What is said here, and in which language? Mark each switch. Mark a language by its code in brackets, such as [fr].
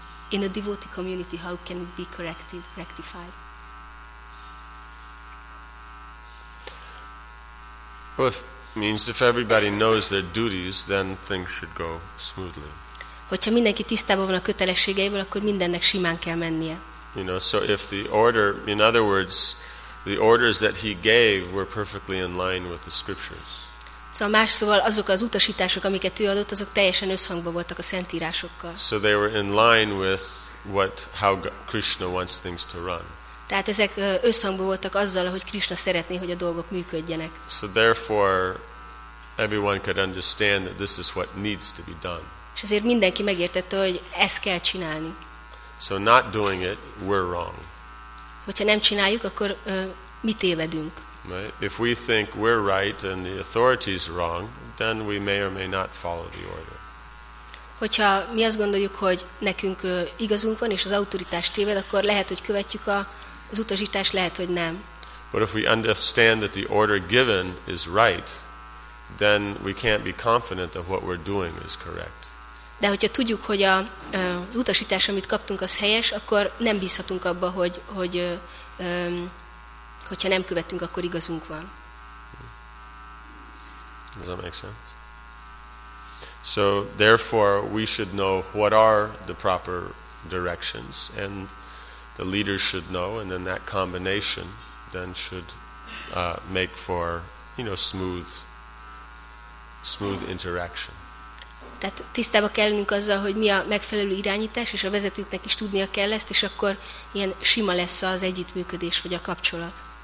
[en] In a devotee community, how can it be corrected, rectified? Well, if everybody knows their duties, then things should go smoothly. [hu] Hogyha mindenki tisztában van a kötelességeivel, akkor mindennek simán kell mennie. [en] You know, so if the order, in other words, the orders that he gave were perfectly in line with the scriptures. [hu] Szóval más szóval azok az utasítások, amiket ő adott, azok teljesen összhangban voltak a szentírásokkal. [en] So they were in line with how Krishna wants things to run. [hu] Tehát ezek összhangban voltak azzal, hogy Krishna szeretné, hogy a dolgok működjenek. [en] So therefore everyone could understand that this is what needs to be done. [hu] És ezért mindenki megértette, hogy ezt kell csinálni. [en] So not doing it, we're wrong. [hu] Hogyha nem csináljuk, akkor mi tévedünk. [en] Right? If we think we're right and the authority is wrong, then we may or may not follow the order. [hu] Hogyha mi azt gondoljuk, hogy nekünk igazunk van és az autoritás téved, akkor lehet, hogy követjük az utasítást, lehet, hogy nem. [en] But if we understand that the order given is right, then we can't be confident of what we're doing is correct. [hu] De hogyha tudjuk, hogy az utasítás, amit kaptunk, az helyes, akkor nem bízhatunk abba, hogyha nem követünk, akkor igazunk van. [en] Does that make sense? So therefore we should know what are the proper directions, and the leaders should know, and then that combination then should make for, you know, smooth interaction. [hu] Tehát tisztába kell lennünk azzal, hogy mi a megfelelő irányítás, és a vezetőknek is tudnia kell ezt, és akkor ilyen sima lesz az együttműködés vagy a kapcsolat.